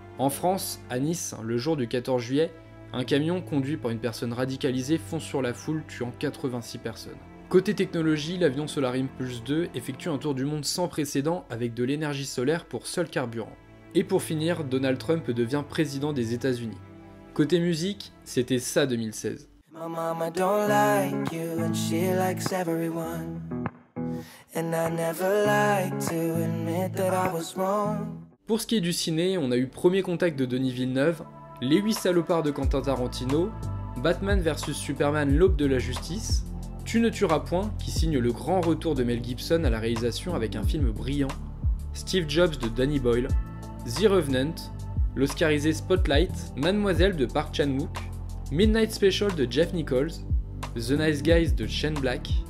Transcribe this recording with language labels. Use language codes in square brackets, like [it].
[fr] En France, à Nice, le jour du 14 juillet, un camion conduit par une personne radicalisée fonce sur la foule, tuant 86 personnes. Côté technologie, l'avion Solar Impulse 2 effectue un tour du monde sans précédent avec de l'énergie solaire pour seul carburant. Et pour finir, Donald Trump devient président des États-Unis. Côté musique, c'était ça 2016. [en] My mama don't like you and she likes everyone. And I never like to admit that I was wrong. [fr] Pour ce qui est du ciné, on a eu Premier Contact de Denis Villeneuve, Les 8 salopards de Quentin Tarantino, Batman vs Superman l'aube de la justice, Tu ne tueras point qui signe le grand retour de Mel Gibson à la réalisation avec un film brillant, Steve Jobs de Danny Boyle, The Revenant, l'oscarisé Spotlight, Mademoiselle de Park Chan-wook, Midnight Special de Jeff Nichols, The Nice Guys de Shane Black,